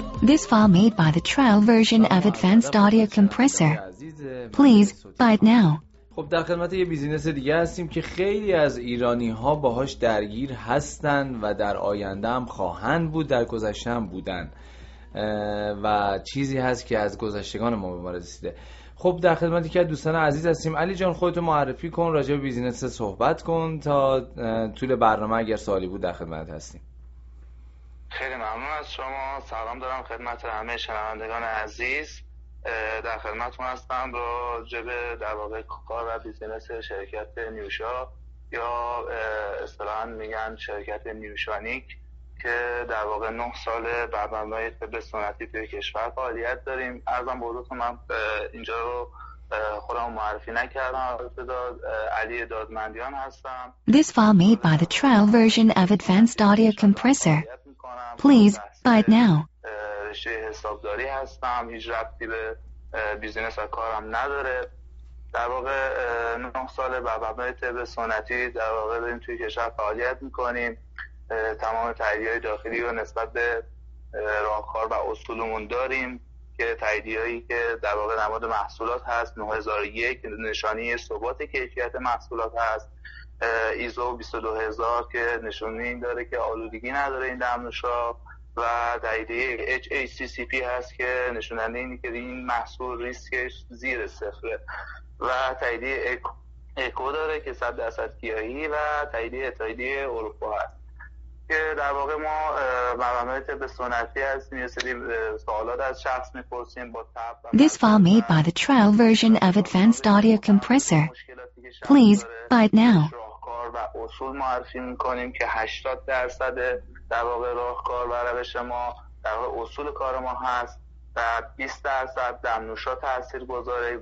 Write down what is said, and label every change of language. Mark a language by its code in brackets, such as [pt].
[en] This file made by the trial version of Advanced Audio Compressor. Please buy it now. [fa] خب در خدمت یه بیزینس دیگه هستیم که خیلی از ایرانی ها باهاش درگیر هستن و در آینده هم خواهند بود، در گذشته هم بودن و چیزی هست که از گذشتگان ما به ما رسیده. خب در خدمتی که دوستان عزیز هستیم. علی جان خودتو معرفی کن، راجع به بیزینس صحبت کن، تا طول برنامه اگر سوالی بود در خدمت هستیم. خیلی ممنون از شما، سلام دارم خدمت همه شنوندگان عزیز، در خدمتون هستم راجع به در واقع کار و بیزینس شرکت نیوشا، یا اصطلاحا میگن شرکت نیوشانیک، که در واقع 9 ساله بر مبنای طب سنتی توی کشور فعالیت داریم. ارزم بزرگتون من اینجا رو خودم معرفی نکردم، ابتدا علی دادمندیان هستم. [en] This file made by the trial version of Advanced Audio Compressor. Please buy it now. [fa] رشته حسابداری هستم، هیچ ربطی به بیزینس و کارم نداره. در واقع 9 ساله بر مبنای طب سنتی در واقع داریم توی کشور فعالیت میکنیم. تمام تاییدهای داخلی رو نسبت به راهکار و اصولمون داریم، که تاییدهایی که در واقع نماد محصولات هست 9001 نشانی ثبات کیفیت محصولات هست، ایزو 22000 که نشانی داره که آلودگی نداره این دمنوشا، و تاییدیه HACCP هست که نشوننده اینه که این محصول ریسکش زیر صفره، و تاییدیه اکو داره که 100% گیاهی، و تاییدیه اروپا هست که در واقع ما مبنای طب سنتی هستیم. یه سری سوالات از شخص میپرسیم با تب. [en] This file made by the trial version of Advanced Audio Compressor. Please buy it now. [fa] راهکار و اصول معرفی میکنیم که 80% در واقع راهکار و روش ما در واقع اصول کار ما هست، و 20% دمنوشا تأثیر گذاره.